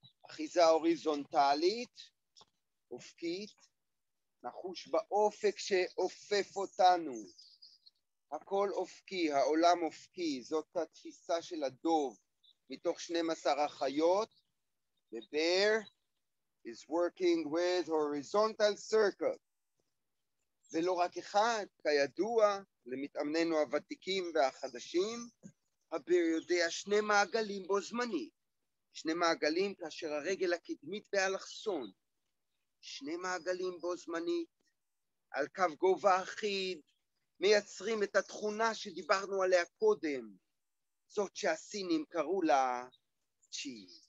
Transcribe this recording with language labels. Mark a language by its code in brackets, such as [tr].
[he] אחיזה הוריזונטלית, אופקית, נחוש באופק שאופף אותנו. הכל אופקי, העולם אופקי, זאת התפיסה של הדוב, מתוך 12 החיות. [en] The bear is working with horizontal circle. [he] ולא רק אחד, כידוע, למתאמנינו הוותיקים והחדשים, הבר יודע שני מעגלים בו זמני. שני מעגלים כאשר הרגל הקדמית והלחסון. שני מעגלים בו זמני, על קו גובה אחיד, מייצרים את התכונה שדיברנו עליה קודם. זאת שהסינים קראו לה נפשי.